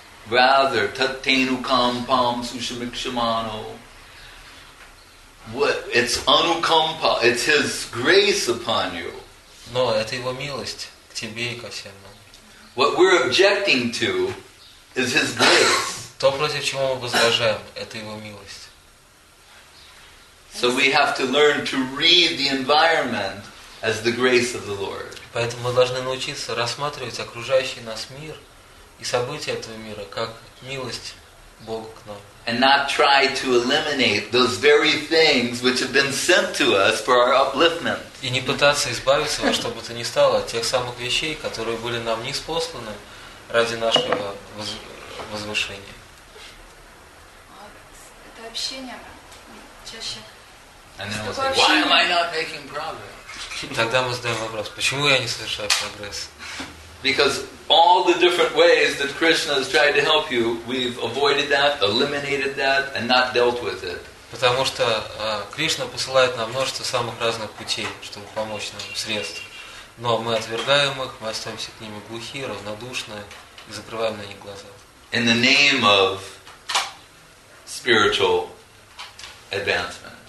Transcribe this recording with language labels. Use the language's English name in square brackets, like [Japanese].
[English] Rather, [Sanskrit] tatenu kampam sushimikshamano. [English] What? It's anukampa. It's his grace upon you. [Russian] Но это его милость к тебе и ко всем нам. [English] What we're objecting to is his grace. [Russian] То против чего мы возражаем, это его милость. [English] So we have to learn to read the environment as the grace of the Lord. [Russian] Поэтому мы должны научиться рассматривать окружающий нас мир и события этого мира как милость Бога к нам. [English] And not try to eliminate those very things which have been sent to us for our upliftment. [Russian] И не пытаться избавиться во что бы то ни стало от тех самых вещей, которые были нам ниспосланы ради нашего возвышения. Это общение чаще. [English] And then we'll say, why am I not making progress? [Russian] Тогда мы задаем вопрос, почему я не совершаю прогресс? [English] Because all the different ways that Krishna has tried to help you, we've avoided that, eliminated that, and not dealt with it. [Russian] Потому что Кришна посылает нам множество самых разных путей, чтобы помочь нам, средств. Но мы отвергаем их, мы остаемся к ним глухи, равнодушны и закрываем на них глаза. [English] In the name of spiritual advancement.